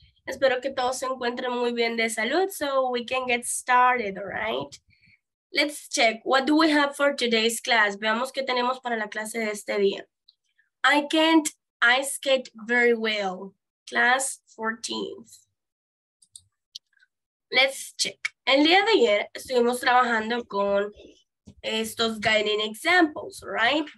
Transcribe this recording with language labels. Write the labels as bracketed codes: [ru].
[es] Espero que todos se encuentren muy bien de salud [en] so we can get started, all right? Let's check, what do we have for today's class? [es] Veamos qué tenemos para la clase de este día. [en] I can't ice skate very well. Class 14th. Let's check. [es] El día de ayer estuvimos trabajando con estos [en] guiding examples, right?